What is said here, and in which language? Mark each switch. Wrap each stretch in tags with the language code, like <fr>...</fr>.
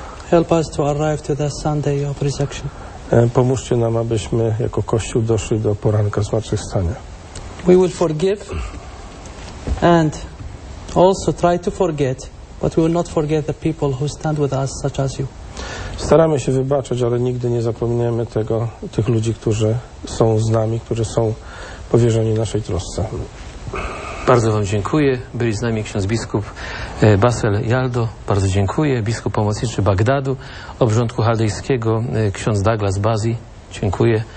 <en>Help us to arrive to the Sunday of Resurrection.</en> <pl>Pomóżcie nam, abyśmy jako kościół doszli do poranka zmartwychwstania.</pl> <en>We will forgive and also try to forget, but we will not forget the people who stand with us, such as you.</en> <pl>Staramy się wybaczać, ale nigdy nie zapomniemy tego, tych ludzi, którzy są z nami, którzy są powierzeni naszej trosce. Bardzo wam dziękuję. Byli z nami ksiądz biskup Basel Jaldo, bardzo dziękuję. Biskup pomocniczy Bagdadu, obrządku chaldejskiego, ksiądz Douglas Bazi, dziękuję.</pl>